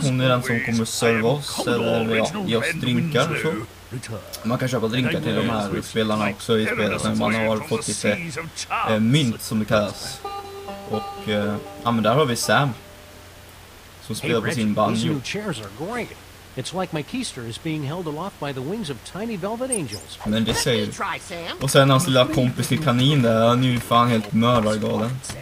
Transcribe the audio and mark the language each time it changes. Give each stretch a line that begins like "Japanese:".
Swedish: Hon är den som kommer serva oss. Eller ja, ge oss drinkar och så. Man kan köpa drinkar till de här spelarna också i spelet, men man har fått lite mynt som det kallas. Och ja, men där har vi Sam som spelar på sin banjo.
English: It's like my keister is being held aloft by the wings of tiny velvet angels.
Swedish: Men det säger. Och sen hans lilla kompis till kanin där, han är ju fan helt mördar galen.